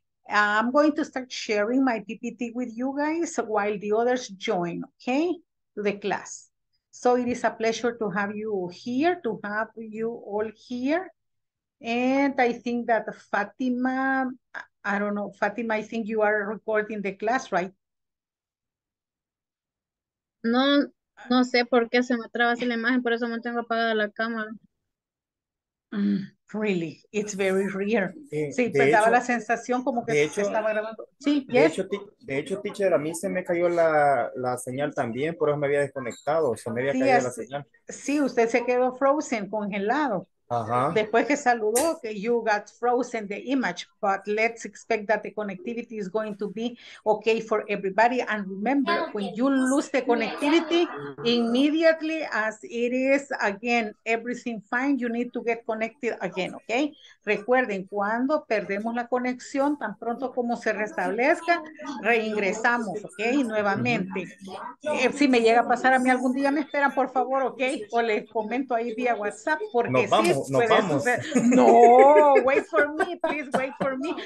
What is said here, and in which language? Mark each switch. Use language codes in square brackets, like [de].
[en] I'm going to start sharing my PPT with you guys while the others join, okay, the class. So it is a pleasure to have you here, to have you all here. And I think that Fatima, I don't know, Fatima, I think you are recording the class, right? [es] No, no sé por qué se me traba la imagen, por eso mantengo apagada la cámara. [en] Really, it's very rare. [es] Sí, pero daba la sensación como que hecho, se estaba grabando. Sí, yes. De hecho, teacher, a mí se me cayó la señal también, por eso me había desconectado, se me había caído la señal. Sí, usted se quedó frozen, congelado. Después que saludó, que [en] you got frozen the image, but let's expect that the connectivity is going to be okay for everybody. And remember, when you lose the connectivity, immediately as it is again, everything fine, you need to get connected again, okay? [es] Recuerden, cuando perdemos la conexión, tan pronto como se restablezca, reingresamos, okay, nuevamente. Si me llega a pasar a mí algún día, me esperan, por favor, okay? O les comento ahí vía WhatsApp, porque nos vamos. Sí, nos vamos. [en] No, wait for me, please wait for me.